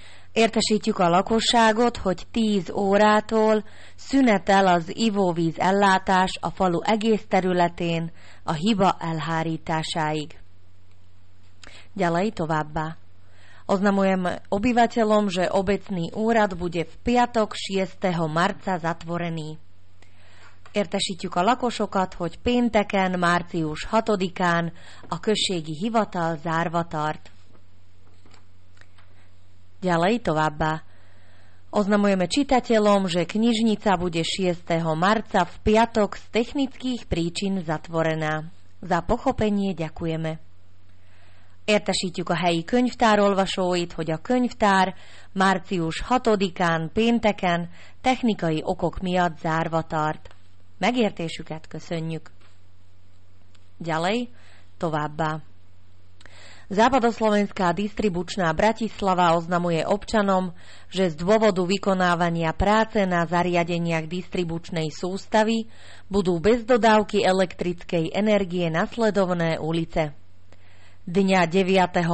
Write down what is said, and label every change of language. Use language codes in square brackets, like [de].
[hu] Értesítjük a lakosságot, hogy 10 órától szünet el az ivóvíz ellátás a falu egész területén a hiba elhárításáig. [sk] Ďalej [hu] továbbá. [sk] Oznamujem obyvateľom, že obecný úrad bude v piatok 6. marca zatvorený. [hu] Értesítjük a lakosokat, hogy pénteken, március 6-án a községi hivatal zárva tart. [sk] Ďalej [hu] továbbá. [sk] Oznamujeme čitateľom, že knižnica bude 6. marca v piatok z technických príčin zatvorená. Za pochopenie ďakujeme. [hu] Értesítjük a helyi könyvtárolvasóit, hogy a könyvtár március 6-án pénteken technikai okok miatt zárva tart. Megértésüket köszönjük. [sk] Ďalej [hu] továbbá. [sk] Západoslovenská distribučná Bratislava oznamuje občanom, že z dôvodu vykonávania práce na zariadeniach distribučnej sústavy budú bez dodávky elektrickej energie nasledovné ulice. Dňa 9.